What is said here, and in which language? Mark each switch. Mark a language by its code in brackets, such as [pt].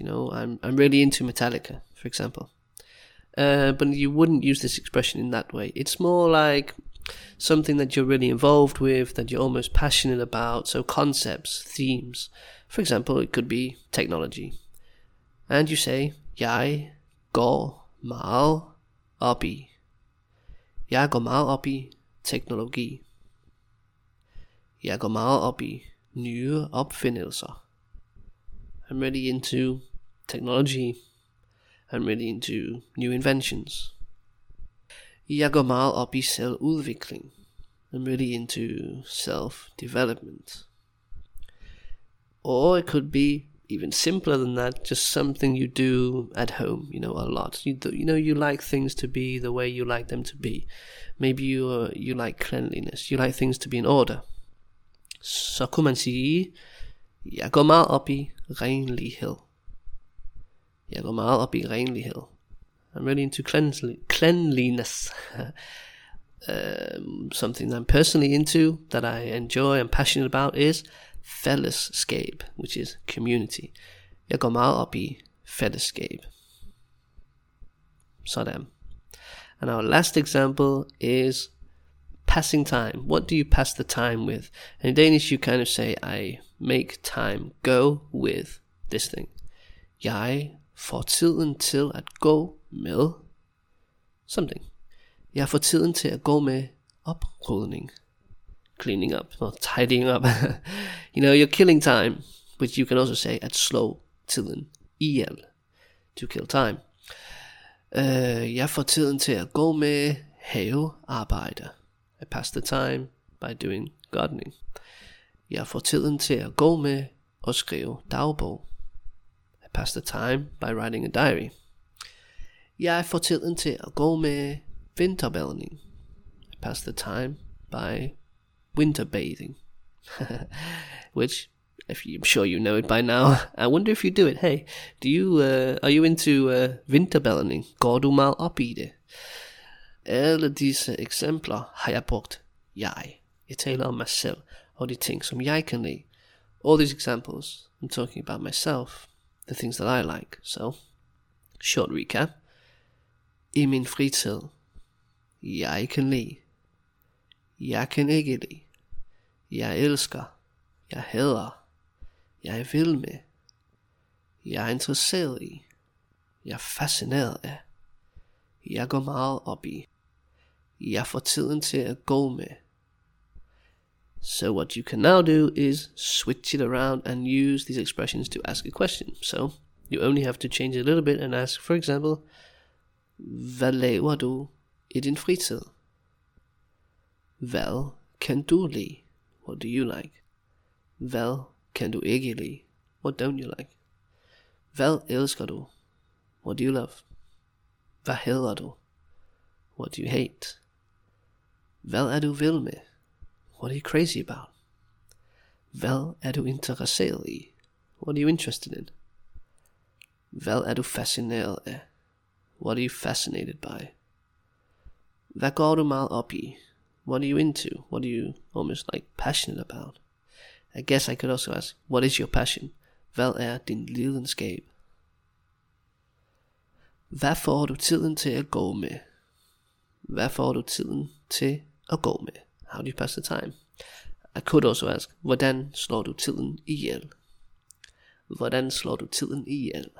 [en] You know, I'm really into Metallica, for example. But you wouldn't use this expression in that way. It's more like something that you're really involved with, that you're almost passionate about. So concepts, themes. For example, it could be technology. And you say, [da] jeg går meget op i. Jeg går meget op i teknologi. Jeg går meget op i nye opfindelser. [en] I'm really into technology. I'm really into new inventions. [da] Jeg går meget op i selvudvikling. [en] I'm really into self-development. Or it could be even simpler than that, just something you do at home, you know, a lot. You know, you like things to be the way you like them to be. Maybe you like cleanliness. You like things to be in order. [da] Så kunne man sige, jeg går meget op i renlighed. Jeg går meget op i renlighed. [en] I'm really into cleanliness. something that I'm personally into, that I enjoy and passionate about, is fællesskab, which is community. [da] Jeg går meget op i fællesskab. Sådan. [en] And our last example is passing time. What do you pass the time with? And in Danish, you kind of say, I make time go with this thing. [da] Jeg får tiden til at gå med [en] something. [da] Jeg får tiden til at gå med oprydning. [en] Cleaning up, or tidying up. You know, you're killing time, which you can also say at slow tiden. EL, to kill time. [da] Jeg får tiden til at gå med havearbejde. [en] I pass the time by doing gardening. [da] Jeg får tiden til at gå med og skrive dagbog. [en] I pass the time by writing a diary. [da] Jeg får tiden til at gå med vinterbadning. [en] I pass the time by winter bathing. Which, if you, I'm sure you know it by now. I wonder if you do it. Hey, do you? Are you into vinterbadning? [da] Går du meget op i det? Alle disse eksempler har jeg brugt jeg. Jeg taler om mig selv og de ting som jeg kan lide. [en] All these examples, I'm talking about myself, the things that I like. So, short recap. [da] I min fritid, jeg kan lide. Jeg kan ikke lide. Jeg elsker. Jeg hader. Jeg vil med. Jeg er interesseret i. Jeg er fascineret af. Jeg går meget op i. jeg får tiden til at gå med. [en] So what you can now do is switch it around and use these expressions to ask a question. So you only have to change it a little bit and ask, for example, [da] hvad laver du i din fritid? Hvad kan du lide? [en] What do you like? [da] Hvad kan du ikke lide? [en] What don't you like? [da] Hvad elsker du? [en] What do you love? [da] Hvad hader du? [en] What do you hate? [da] Hvad du vild med? [en] What are you crazy about? [da] Hvad du interesseret i? [en] What are you interested in? [da] Hvad du fascineret af? [en] What are you fascinated by? [da] Hvad går du meget op i? [en] What are you into? What are you almost like passionate about? I guess I could also ask, what is your passion? [da] Hvad din lidenskab? Hvad får du tiden til at gå med? Hvad får du tiden til at gå med? [en] How do you pass the time? I could also ask, [da] hvordan slår du tiden ihjel? [en] Hvordan slår du tiden ihjel?